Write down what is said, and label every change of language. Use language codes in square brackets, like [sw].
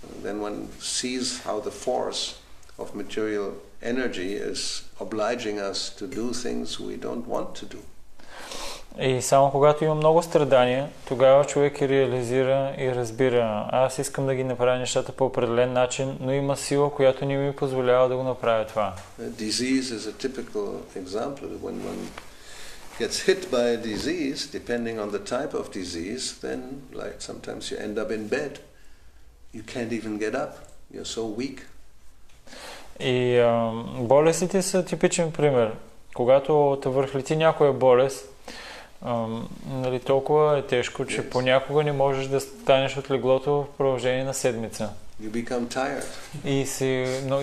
[en] Then one sees how the force of material energy is obliging us to do things we don't want to do. [bg] И само когато има много страдания, тогава човек и реализира и разбира: аз искам да ги направя нещата по определен начин, но има сила, която не ми позволява да го направя това. [en] Disease is a typical example. When one gets hit by a disease, depending on the type of disease, then like sometimes you end up in bed. You can't even get up. You're so weak. [bg] И болестите са типичен пример. Когато те върхлети някоя болест, нали, толкова е тежко, че [en] yes, [bg] понякога не можеш да станеш от леглото в продължение на седмица. [en] You become tired.